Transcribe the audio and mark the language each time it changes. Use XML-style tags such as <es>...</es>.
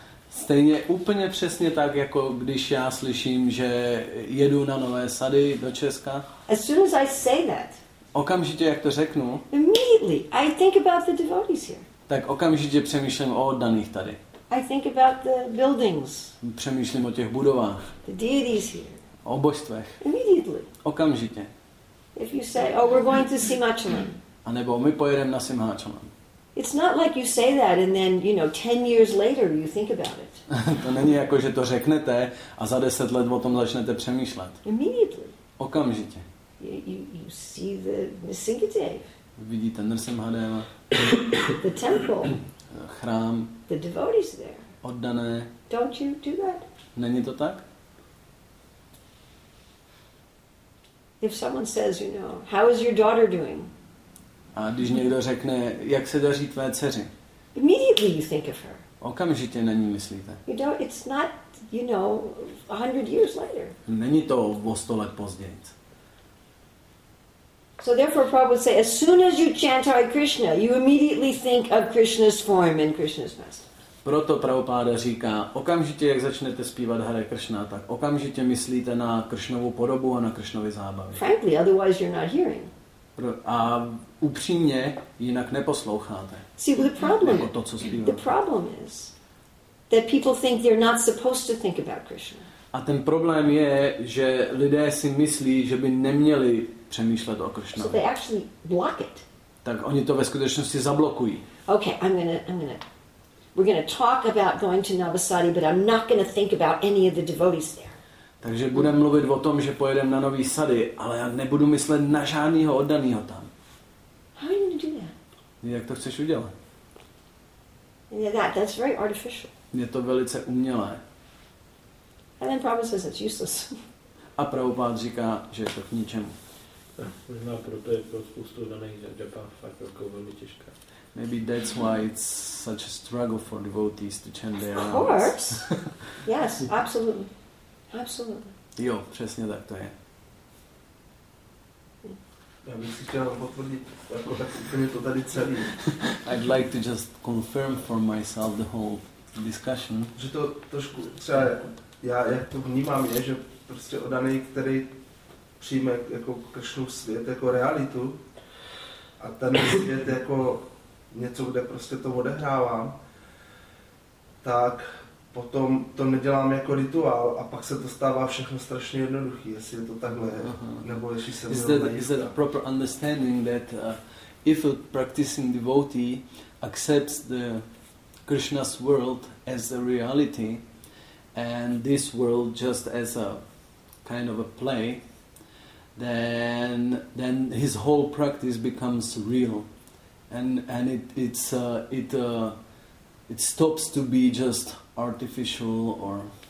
<cs>Stejně úplně přesně tak, jako když já slyším, že jedu na Nové Sady do Česka.</cs> <en>As soon as I say that.</en> <cs>Okamžitě, jak to řeknu,</cs> <en>immediately I think about the devotees here.</en> <cs>Tak okamžitě přemýšlím o oddaných tady.</cs> <en>I think about the buildings.</en> <cs>Přemýšlím o těch budovách.</cs> <en>The deities here.</en> <cs>O božstvech.</cs> <en>Immediately.</en> <cs>Okamžitě.</cs> <en>If you say, oh, we're going to Simhachalam.</en> <cs>A nebo my pojedeme na Simhachalam.</cs> <en>It's not like you say that and then, you know, 10 years later you think about it.</en> <cs>To není jako, že to řeknete a za 10 let o tom začnete přemýšlet.</cs> <en>Immediately.</en> <cs>Okamžitě.</cs> <en>You see the Nrsimhadev.</en> <cs>Vidíte Nrsimhadeva.</cs> <en>The temple.</en> <cs>Chrám.</cs> <en>The devotees there.</en> <cs>Oddané.</cs> <en>Don't you do that?</en> <cs>Není to tak?</cs> <en>If someone says, you know, how is your daughter doing?</en> <cs>A když někdo řekne, jak se daří tvé dceři?</cs> <en>Immediately you think of her.</en> <cs>Okamžitě na ní myslíte.</cs> <en>You know, it's not, you know, 100 years later.</en> <cs>Není to o 100 let později.</cs> <en>So therefore Prabhupada would say, as soon as you chant Hare Krishna, you immediately think of Krishna's form and Krishna's master.</en> <cs>Proto Prabhupada říká, okamžitě jak začnete zpívat Hare Krishna, tak okamžitě myslíte na Krishnovu podobu a na Krishnovy zábavy.</cs> <en>Frankly, otherwise you're not hearing.</en> <cs>A upřímně jinak neposloucháte.</cs> <en>See, the problem,</en> <cs>jako to, co zpíváte.</cs> <en>The problem is that people think they're not supposed to think about Krishna.</en> <cs>A ten problém je, že lidé si myslí, že by neměli přemýšlet o Krishnovi.</cs> <en>So they actually block it.</en> <cs>Tak oni to ve skutečnosti zablokují.</cs> <en>Okay, we're going to talk about going to Navasadi, but I'm not going to think about any of the devotees there.</en> <cs>Takže budeme mluvit o tom, že pojedeme na Nový Sady, ale já nebudu myslet na žádného oddaného tam.</cs> <en>How are you going to do that?</en> <cs>Jak to chceš udělat?</cs> <en>Yeah, that's very artificial.</en> <cs>Je to velice umělé.</cs> <en>And then Prabhupada says it's useless.</en> <cs>A Prabhupada říká, že je to k ničemu. Možná proto je pro spoustu daných Japan fakt jako velmi těžká.</cs> <en>Maybe that's why it's such a struggle for devotees to chant their names. Of course. Yes, absolutely. Absolutely.</en> <cs>Jo, přesně tak to je. Já bych si chtěl potvrdit jako to tady celý.</cs> <en>I'd like to just confirm for myself the whole discussion.</en> <cs>Že to trošku třeba já jak to vnímám je, že prostě oddaný, který přijme jako Krishnu svět jako realitu a ten svět jako něco, kde prostě to odehrávám, tak potom to nedělám jako rituál a pak se to stává všechno strašně jednoduchý, jestli je to takhle, nebo jestli se mělo najistá.</cs> <en>Is that a proper understanding that if a practicing devotee accepts the Krishna's world as a reality and this world just as a kind of a play, then his whole practice becomes real and it stops to be just artificial or</en>